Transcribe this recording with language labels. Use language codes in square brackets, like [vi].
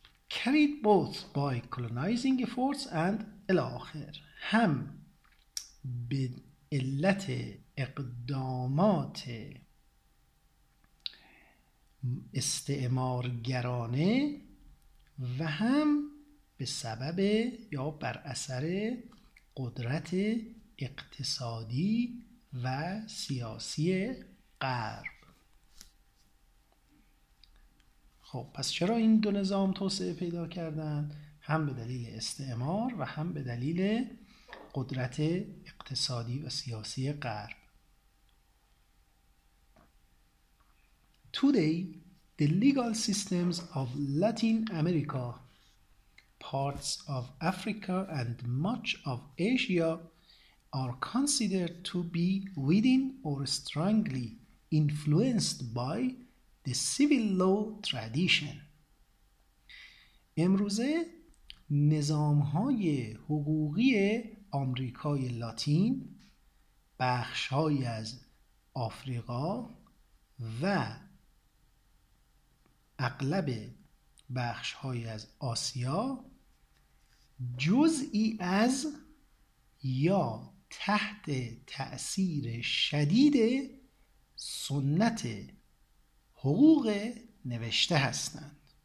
[en] Carried both by colonizing efforts and [fa] الاخر، هم به علت اقدامات استعمارگرانه و هم به سبب یا بر اثر قدرت اقتصادی و سیاسی غرب. خب پس چرا این دو نظام توسعه پیدا کردند؟ هم به دلیل استعمار و هم به دلیل قدرت اقتصادی و سیاسی غرب. [en] Today the legal systems of Latin America, parts of Africa and much of Asia are considered to be within or strongly influenced by the civil law tradition. [fa] امروزه نظام‌های حقوقی آمریکای لاتین، بخش‌هایی از آفریقا و اغلب بخش‌هایی از آسیا جزئی از یا تحت تأثیر شدید سنت حقوق نوشته هستند.